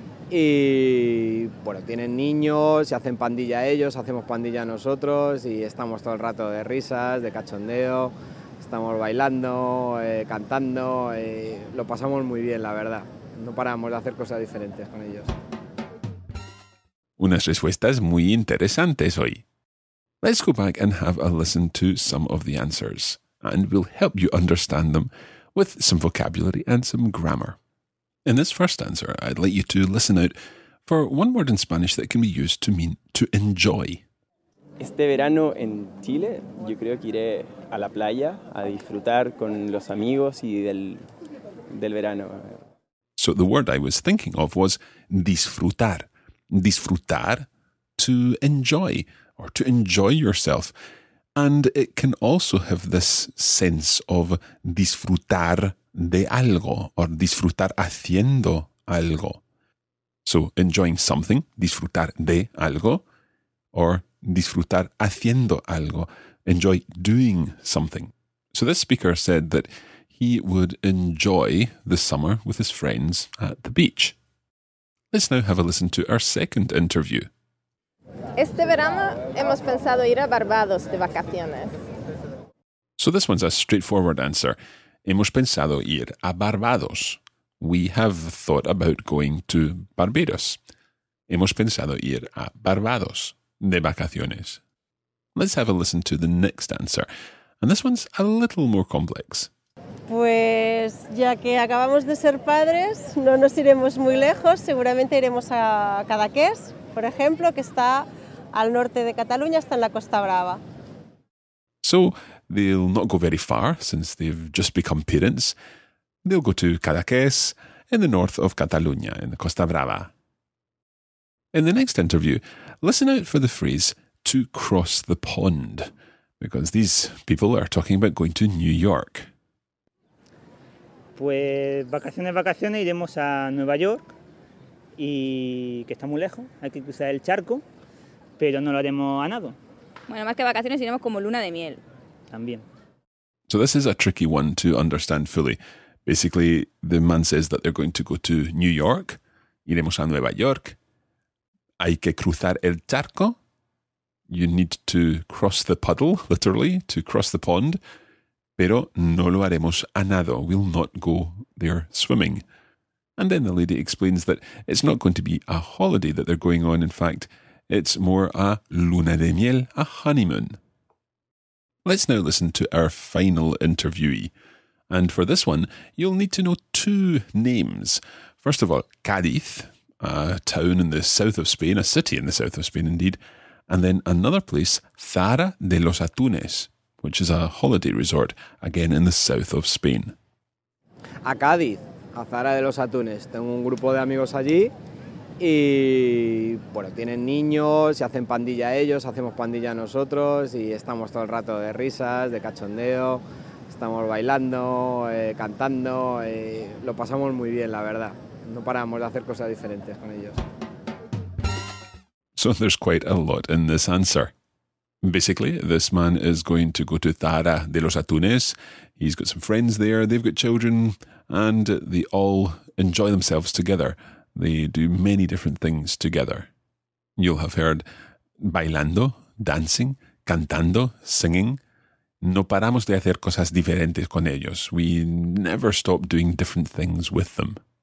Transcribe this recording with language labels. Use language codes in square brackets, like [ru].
[es] Y bueno, tienen niños, se hacen pandilla ellos, hacemos pandilla nosotros y estamos todo el rato de risas, de cachondeo, estamos bailando, cantando, lo pasamos muy bien, la verdad. No paramos de hacer cosas diferentes con ellos. Unas respuestas muy interesantes hoy. [en] Let's go back and have a listen to some of the answers, and we'll help you understand them with some vocabulary and some grammar. In this first answer, I'd like you to listen out for one word in Spanish that can be used to mean to enjoy. [es] Este verano en Chile, yo creo que iré a la playa a disfrutar con los amigos y del verano. [en] So the word I was thinking of was disfrutar. Disfrutar, to enjoy, or to enjoy yourself. And it can also have this sense of [es] disfrutar de algo, [en] or [es] disfrutar haciendo algo. [en] So, enjoying something, [es] disfrutar de algo, [en] or [es] disfrutar haciendo algo, [en] enjoy doing something. So this speaker said that he would enjoy the summer with his friends at the beach. Let's now have a listen to our second interview. [es] Este verano hemos pensado ir a Barbados de vacaciones. [en] So this one's a straightforward answer. [es] Hemos pensado ir a Barbados. [en] We have thought about going to Barbados. [es] Hemos pensado ir a Barbados de vacaciones. [en] Let's have a listen to the next answer. And this one's a little more complex. [es] Pues ya que acabamos de ser padres, no nos iremos muy lejos. Seguramente iremos a Cadaqués, por ejemplo, que está al norte de Cataluña, está en la Costa Brava. [en] So they'll not go very far, since they've just become parents. They'll go to Cadaqués, in the north of Cataluña, in the Costa Brava. In the next interview, listen out for the phrase to cross the pond, because these people are talking about going to New York. [es] Pues vacaciones, vacaciones, iremos a Nueva York, y que está muy lejos, hay que cruzar el charco, pero no lo haremos a nado. Bueno, más que vacaciones, iremos como luna de miel. También. [en] So this is a tricky one to understand fully. Basically, the man says that they're going to go to New York, [es] iremos a Nueva York, hay que cruzar el charco, [en] you need to cross the puddle, literally, to cross the pond, [es] pero no lo haremos a nado, [en] we'll not go there swimming. And then the lady explains that it's not going to be a holiday that they're going on, in fact, it's more a [es] luna de miel, [en] a honeymoon. Let's now listen to our final interviewee. And for this one, you'll need to know two names. First of all, Cádiz, a town in the south of Spain, a city in the south of Spain indeed, and then another place, Zara de los Atunes, which is a holiday resort, again in the south of Spain. [es] A Cádiz, a Zara de los Atunes. Tengo un grupo de amigos allí y, bueno, tienen niños y hacen pandilla ellos, hacemos pandilla nosotros y estamos todo el rato de risas, de cachondeo. Estamos bailando, cantando, lo pasamos muy bien, la verdad. No paramos de hacer cosas diferentes con ellos. [en] So there's quite a lot in this answer. Basically, this man is going to go to Zara de los Atunes. He's got some friends there, they've got children, and they all enjoy themselves together. They do many different things together. You'll have heard bailando, dancing, cantando, singing. [es] No paramos de hacer cosas diferentes con ellos. [en] We never stop doing different things with them.